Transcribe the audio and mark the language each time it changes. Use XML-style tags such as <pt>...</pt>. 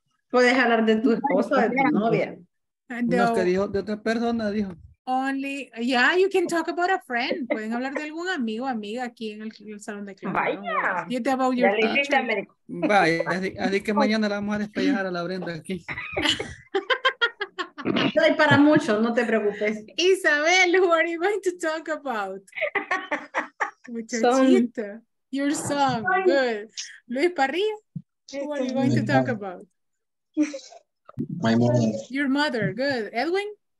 <es>Puedes hablar de tu esposa, de tu novia. No, que dijo, de otra persona dijo.</es> <en>Only, yeah, you can talk about a friend.</en> <es>Pueden hablar de algún amigo, amiga aquí en el salón de clases. Vaya.</es> <en>You talk about your teacher.</en> <es>Vaya, así que mañana la vamos a despejar a la Brenda aquí. No hay para mucho, no te preocupes.</es> <en>Isabel, what are you going to talk about? Muchachita. Song. Your song, good. Luis Parrilla, what are you going to talk about? My mother. Your mother, good. Edwin?</en>